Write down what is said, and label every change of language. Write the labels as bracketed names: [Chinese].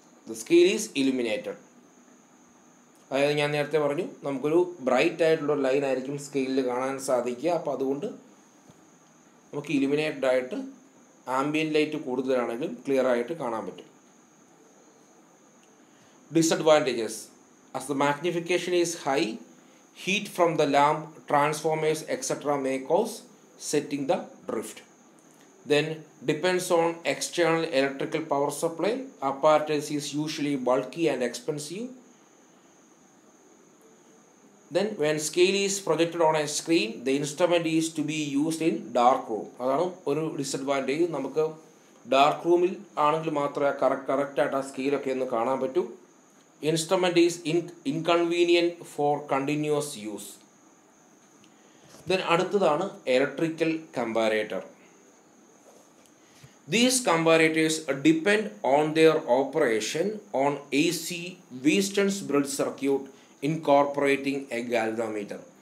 [English] The scale is illuminated. [Malayalam] അതായത് ഞാൻ നേരത്തെ പറഞ്ഞു നമുക്കൊരു ബ്രൈറ്റ് ആയിട്ടുള്ള ലൈൻ ആയിരിക്കും സ്കെയിലിൽ കാണാൻ സാധിക്കുക. അപ്പോൾ അതുകൊണ്ട് നമുക്ക് ഇലുമിനേറ്റഡ് ആയിട്ട് ആംബിയൻറ്റ് ലൈറ്റ് കൂടുതലാണെങ്കിലും ക്ലിയർ ആയിട്ട് കാണാൻ പറ്റും. [English] Disadvantages. As the magnification is high, heat from the lamp, transformers, etc. may cause setting the drift. Then depends on external electrical power supply. Apparatus is usually bulky and expensive. Then when scale is projected on a screen, the instrument is to be used in dark room. [Malayalam] അതാണ് ഒരു disadvantage. നമുക്ക് dark റൂമിൽ ആണെങ്കിൽ മാത്രമേ correct ആയിട്ട് ആ സ്കെയിലൊക്കെ ഒന്ന് കാണാൻ പറ്റൂ. [English] Instrument is inconvenient for continuous use. [Malayalam] Then അടുത്തതാണ് electrical comparator. [English] These comparators depend on their operation on AC Wheaton's bridge circuit incorporating a galvanometer.